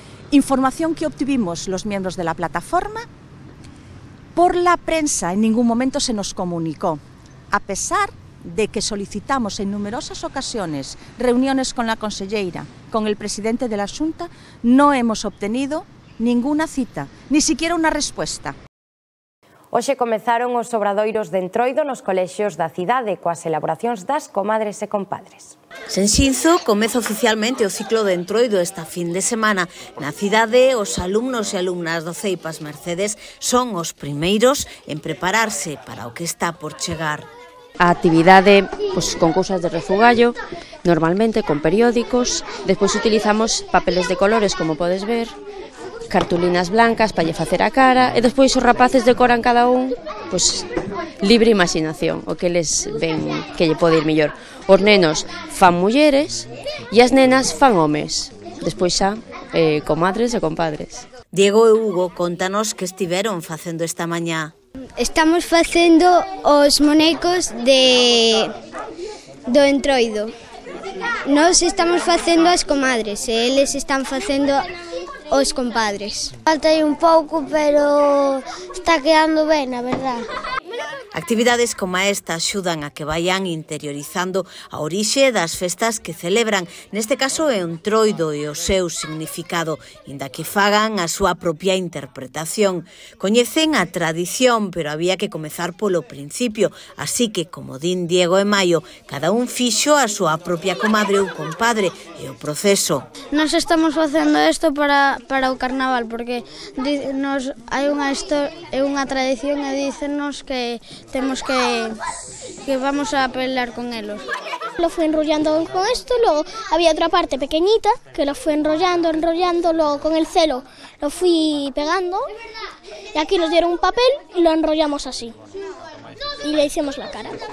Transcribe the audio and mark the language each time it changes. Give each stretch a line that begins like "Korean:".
Spanish: Información que obtuvimos los miembros de la plataforma por la prensa, en ningún momento se nos comunicó, a pesar de que solicitamos en numerosas ocasiones reuniones con la conselleira, con el presidente de la Xunta, no hemos obtenido ninguna cita, ni siquiera una respuesta.
Galician: Hoxe comezaron os obradoiros de Entroido nos colexios da cidade coas elaboracións das comadres e compadres. Senxinzo comeza oficialmente o ciclo de Entroido esta fin de semana. Na cidade, os alumnos e alumnas do CEIPAS Mercedes son os primeiros en prepararse para o que está por chegar. A actividade, pues, con cousas de refugallo, normalmente con periódicos, despois utilizamos papeles de colores, como podes ver, cartulinas blancas para lle facer a cara e despois os rapaces decoran cada un, pues, libre imaginación, o que les ven que lle pode ir mellor. Os nenos fan mulleres e as nenas fan homes, despois xa comadres e compadres. Diego e Hugo, contanos que estiveron facendo esta mañá. Estamos facendo os monecos do Entroido. Nos estamos facendo as comadres e eles están facendo os compadres. Falta aí un pouco, pero está quedando ben, a verdad. Actividades como esta axudan a que vayan interiorizando a orixe das festas que celebran, neste caso é Entroido e o seu significado, inda que fagan a súa propia interpretación. Coñecen a tradición, pero había que comezar polo principio, así que, como din Diego e Maio, cada un fixo a súa propia comadre ou compadre e o proceso. Nos estamos facendo isto para o carnaval, porque hai unha tradición e dícenos que temos que vamos a pelear con elos.
Spanish: Lo fui enrollando con esto, luego había otra parte pequeñita que lo fui enrollando, luego con el celo lo fui pegando y aquí nos dieron un papel y lo enrollamos así y le hicimos la cara.